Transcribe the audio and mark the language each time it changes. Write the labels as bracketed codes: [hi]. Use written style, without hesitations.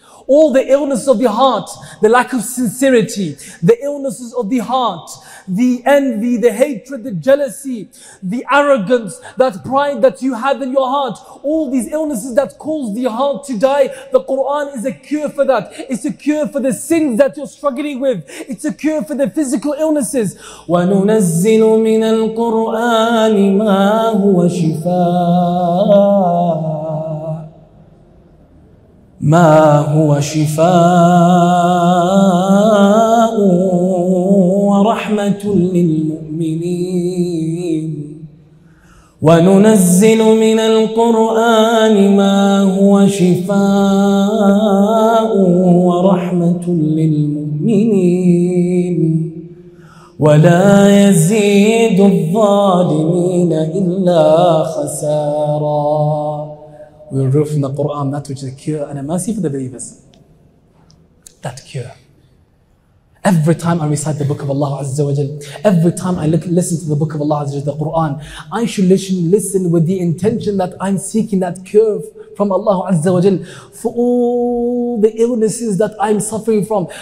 [en] All the illness of the heart, the lack of sincerity, the illnesses of the heart, the envy, the hatred, the jealousy, the arrogance, that pride that you have in your heart, all these illnesses that cause the heart to die, the Quran is a cure for that. It's a cure for the sins that you're struggling with. It's a cure for the physical illnesses. [ar] وَنُنَزِّلُ مِنَ الْقُرْآنِ مَا هُوَ شِفَاءٌ ما هو شفاء ورحمة للمؤمنين وننزل من القرآن ما هو شفاء ورحمة للمؤمنين ولا يزيد الظالمين إلا خسارا. [en] We remove from the Qur'an that which is a cure and a mercy for the believers. That cure. Every time I recite the book of Allah Azza wa Jal, every time I listen to the book of Allah Azza wa Jal, the Qur'an, I should listen with the intention that I'm seeking that cure from Allah Azza wa Jal for all the illnesses that I'm suffering from.